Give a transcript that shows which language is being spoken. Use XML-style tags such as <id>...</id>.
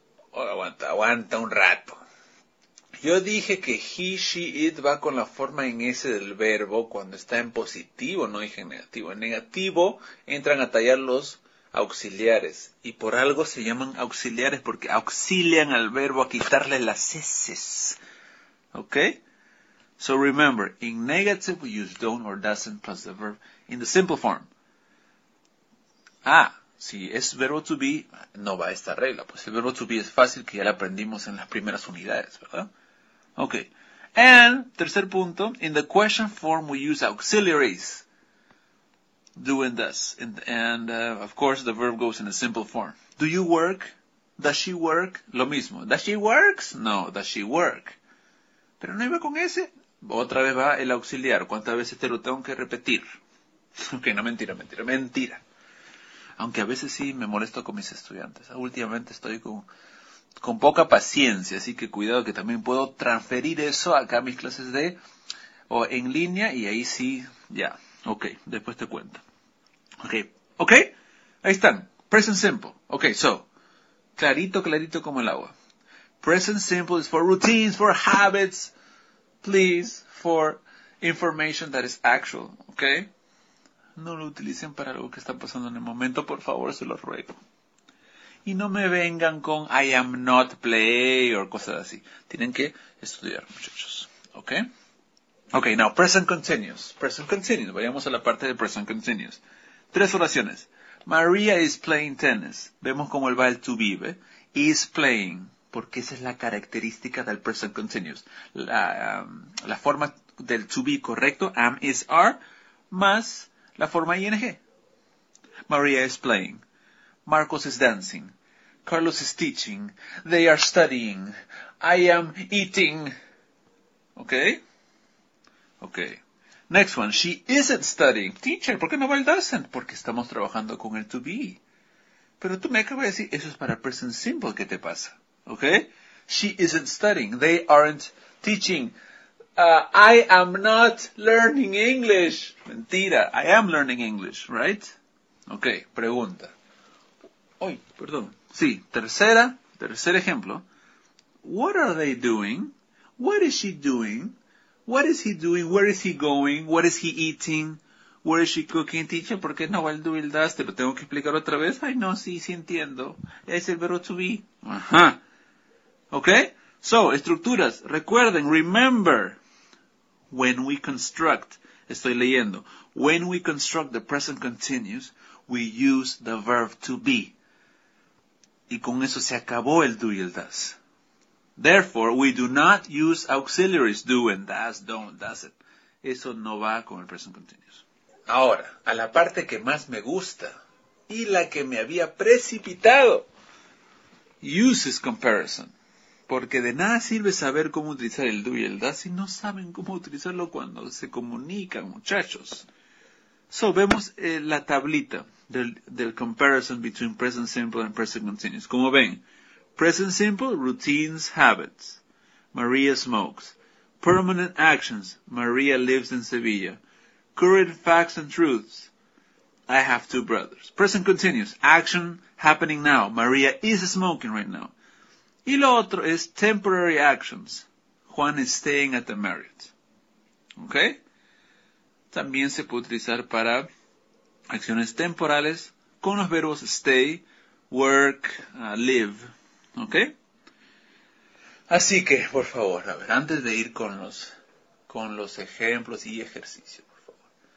<es>Oh, aguanta, aguanta un rato. Yo dije que he, she, it va con la forma en S del verbo cuando está en positivo, no dije en negativo. En negativo entran a tallar los auxiliares y por algo se llaman auxiliares porque auxilian al verbo a quitarle las S. ¿Ok?</es> <en>So remember, in negative we use don't or doesn't plus the verb in the simple form.</en> <es>Ah, si es verbo to be, no va a esta regla, pues el verbo to be es fácil que ya lo aprendimos en las primeras unidades, ¿verdad?</es> <en>Ok. And,</en> <es>tercer punto,</es> <en>in the question form we use auxiliaries. Do and does. Of course, the verb goes in a simple form. Do you work? Does she work?</en> <es>Lo mismo.</es> <en>Does she works? No. Does she work?</en> <es>Pero no iba con ese. Otra vez va el auxiliar. ¿Cuántas veces te lo tengo que repetir? Ok, no, mentira, mentira, mentira. Aunque a veces sí me molesto con mis estudiantes. Últimamente estoy con poca paciencia, así que cuidado que también puedo transferir eso acá a mis clases de o en línea y ahí sí, ya. Ok, después te cuento. Ok, ahí están. Present simple. Ok, so, clarito, clarito como el agua.</es> <en>Present simple is for routines, for habits, please, for information that is actual. Ok.</en> <es>No lo utilicen para algo que está pasando en el momento, por favor, se lo ruego. Y no me vengan con</es> <en>I am not play</en> <es>o cosas así. Tienen que estudiar, muchachos. ¿Ok?</es> <en>Ok, now, present continuous. Present continuous.</en> <es>Vayamos a la parte de present continuous. Tres oraciones.</es> <en>Maria is playing tennis.</en> <es>Vemos cómo él va el to be, ¿ve?</es> <en>Is playing.</en> <es>Porque esa es la característica del present continuous. La forma del to be correcto, am, is, are, más la forma ing.</es> <en>Maria is playing. Marcos is dancing. Carlos is teaching. They are studying. I am eating. Okay? Okay. Next one. She isn't studying.</en> <es>Teacher, ¿por qué no va el doesn't? Porque estamos trabajando con el to be. Pero tú me acabas de decir, eso es para el present simple. ¿Qué te pasa?</es> <en>Okay? She isn't studying. They aren't teaching. I am not learning English. Mentira. I am learning English, right?</en> <es>Okay. Pregunta. Uy, perdón. Sí, tercer ejemplo.</es> <en>What are they doing? What is she doing? What is he doing? Where is he going? What is he eating? Where is she cooking?</en> <es>Teacher, ¿por qué no va el do y el das? ¿Te lo tengo que explicar otra vez? Ay, no, sí, sí entiendo. Es el verbo to be. Ajá. ¿Ok?</es> <en>So, estructuras. Recuerden, remember. When we construct.</en> <es>Estoy leyendo.</es> <en>When we construct the present continuous, we use the verb to be.</en> <es>Y con eso se acabó el do y el does.</es> <en>Therefore, we do not use auxiliaries do and does, don't, doesn't.</en> <es>Eso no va con el present continuous. Ahora, a la parte que más me gusta y la que me había precipitado. Uses comparison. Porque de nada sirve saber cómo utilizar el do y el does si no saben cómo utilizarlo cuando se comunican, muchachos. So, vemos la tablita del comparison between present simple and present continuous. Como ven, present simple, routines, habits.</es> <en>Maria smokes. Permanent actions. Maria lives in Sevilla. Current facts and truths. I have two brothers. Present continuous, action happening now. Maria is smoking right now.</en> <es>Y lo otro es</es> <en>temporary actions. Juan is staying at the Marriott. ¿Ok?</en> <es>También se puede utilizar para acciones temporales con los verbos stay, work, live. ¿Ok? Así que, por favor, a ver, antes de ir con los ejemplos y ejercicios, por favor.</es>